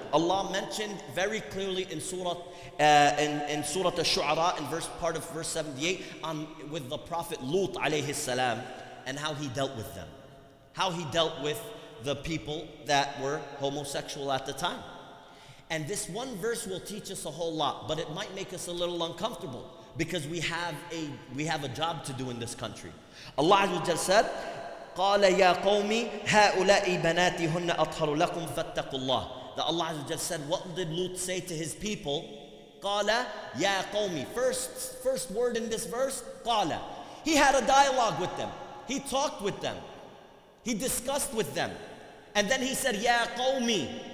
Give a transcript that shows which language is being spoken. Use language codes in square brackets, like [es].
[en] Allah mentioned very clearly in Surah Ash-Shu'ara, in verse 78, with the Prophet Lut alayhi salam, and how he dealt with them. How he dealt with the people that were homosexual at the time. And this one verse will teach us a whole lot, but it might make us a little uncomfortable because we have a job to do in this country. Allah Azza wa Jal said, [ar] قال يا قومي هؤلاء بناتهن أطهر لكم فاتقوا الله. [en] That Allah Azza wa Jalla said, what did Lut say to his people? [ar] قال يا قومي. [en] First word in this verse, قال. He had a dialogue with them. He talked with them. He discussed with them. And then he said, [ar] يا قومي.